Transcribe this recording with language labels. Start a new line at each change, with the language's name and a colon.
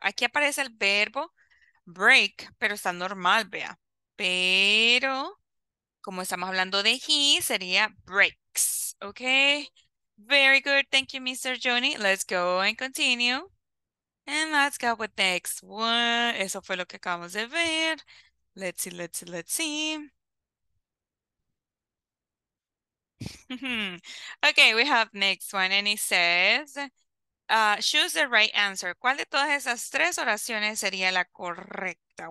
Spanish: Aquí aparece el verbo break, pero está normal, vea. Pero como estamos hablando de he, sería breaks.
English: Okay, very good. Thank you, Mr. Joni. Let's go and continue. And let's go with the next one.
Spanish: Eso fue lo que acabamos de ver.
English: Let's see, let's see, let's see. Okay, we have next one, and it says, choose the right answer.
Spanish: ¿Cuál de todas esas tres oraciones sería la correcta?